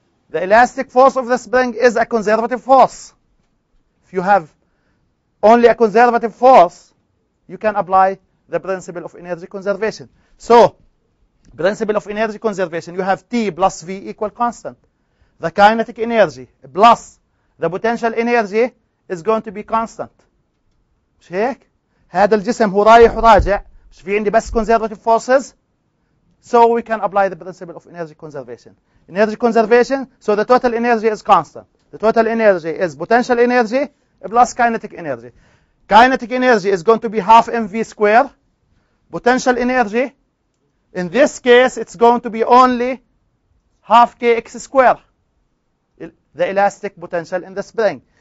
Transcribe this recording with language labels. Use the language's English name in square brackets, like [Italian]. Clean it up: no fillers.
[English] The elastic force of the spring is a conservative force. If you have only a conservative force, you can apply the principle of energy conservation. So, principle of energy conservation, you have T plus V equal constant. The kinetic energy plus the potential energy is going to be constant. [Arabic] مش هيك؟ هذا الجسم هو رايح وراجع. مش في عندي بس [English] conservative forces. So we can apply the principle of energy conservation. Energy conservation, so the total energy is constant. The total energy is potential energy plus kinetic energy. Kinetic energy is going to be half mv squared. Potential energy, in this case, it's going to be only half kx squared, the elastic potential in the spring.